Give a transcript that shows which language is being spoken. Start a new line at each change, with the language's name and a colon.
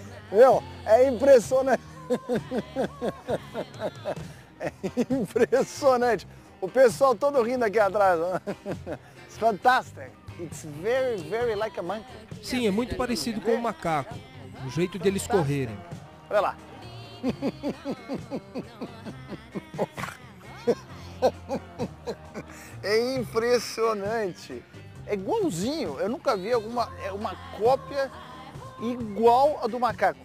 Portuguese: Meu, é impressionante. É impressionante. O pessoal todo rindo aqui atrás. Fantástico!
English: It's very, very like a monkey.
Portuguese: Sim, é muito parecido com um macaco, o jeito de eles correrem. Olha lá. É impressionante. É igualzinho. Eu nunca vi alguma, é uma cópia igual a do macaco.